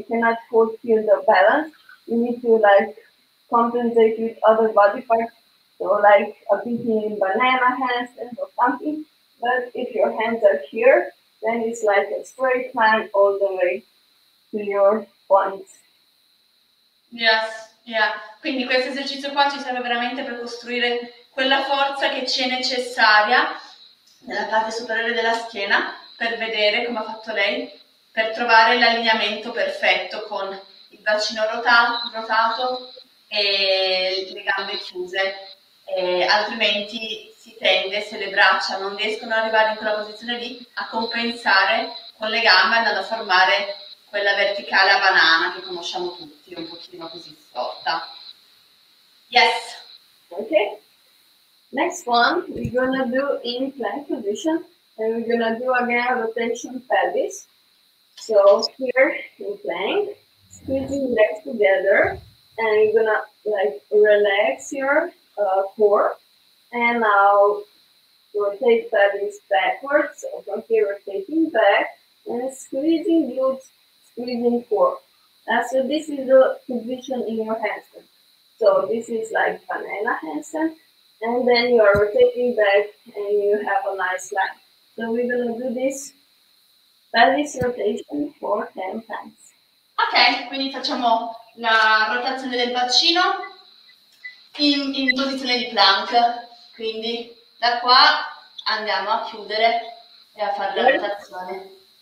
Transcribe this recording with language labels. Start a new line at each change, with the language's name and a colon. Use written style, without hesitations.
English: You cannot hold here the balance. You need to like compensate with other body parts. So like a bit in banana hands and or something. But if your hands are here, then it's like a straight line all the way to your point. Yes, yeah.
Italian: Quindi questo esercizio qua ci serve veramente per costruire quella forza che ci è necessaria nella parte superiore della schiena, per vedere come ha fatto lei, per trovare l'allineamento perfetto con il bacino rotato e le gambe chiuse. E altrimenti si tende, se le braccia non riescono ad arrivare in quella posizione lì, a compensare con le gambe andando a formare quella verticale a banana che conosciamo tutti, un pochino così storta.
English: Yes! Ok. Next one, we're gonna do in plank position. And we're gonna do again rotation pelvis. So here in plank, squeezing legs together, and you're gonna like relax your core, and now rotate pelvis backwards. So from here, rotating back and squeezing glutes, squeezing core. So this is the position in your handstand. So this is like banana handstand, and then you are rotating back, and you have a nice line. So we're gonna do this pelvis rotation for 10 times.
Italian: Ok, quindi facciamo la rotazione del bacino in posizione di plank. Quindi da qua andiamo a chiudere e a fare la rotazione.